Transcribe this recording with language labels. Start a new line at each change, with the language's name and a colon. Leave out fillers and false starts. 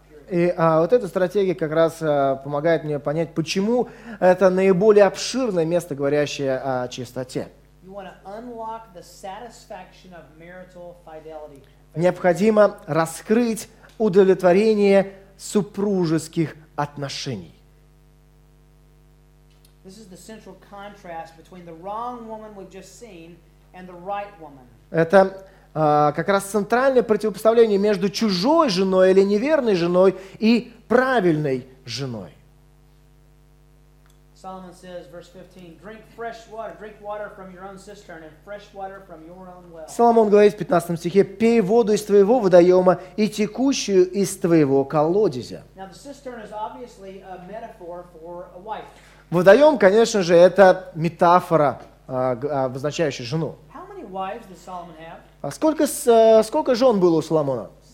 Russian: И вот эта стратегия как раз помогает мне понять, почему это наиболее обширное место, говорящее о чистоте. Необходимо раскрыть удовлетворение супружеских отношений.
English: This is the central contrast between the wrong woman we've just seen and the right woman.
Russian: Это как раз центральное противопоставление между чужой женой или неверной женой и правильной женой.
English: Solomon says, verse 15, drink fresh water, drink water from your own cistern and fresh water from your own well.
Russian: Соломон говорит в 15 стихе: пей воду из твоего водоема и текущую из твоего колодезя.
English: Now the cistern is obviously a metaphor for a wife.
Russian: Водоем, конечно же, это метафора, обозначающая жену.
English: How many wives does Solomon have?
Russian: А сколько, сколько жен было у Соломона?